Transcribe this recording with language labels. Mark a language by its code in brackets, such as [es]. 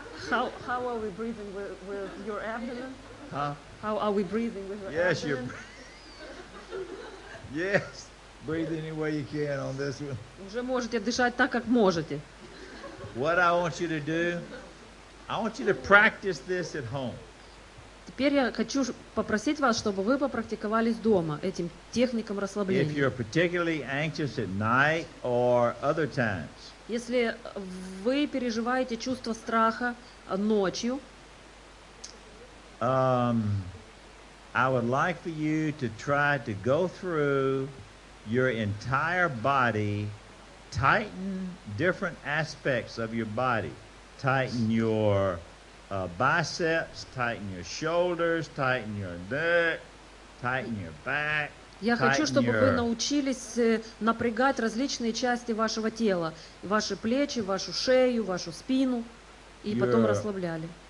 [en] How are we breathing with your abdomen? Huh? How are we breathing with your abdomen? Yes, breathe any way you can on this one. [ru] Уже можете дышать так, как можете. [en] What I want you to do, I want you to practice this at home. [ru] Теперь я хочу попросить вас, чтобы вы попрактиковались дома этим техникам расслабления. [en] If you're particularly anxious at night or other times. [ru] Если вы переживаете чувство страха ночью, [en] I would like for you to try to go through your entire body, tighten different aspects of your body, tighten your biceps, tighten your shoulders, tighten your neck, tighten your back. [ru] Я хочу, чтобы вы научились напрягать различные части вашего тела, ваши плечи, вашу шею, вашу спину, и потом расслабляли.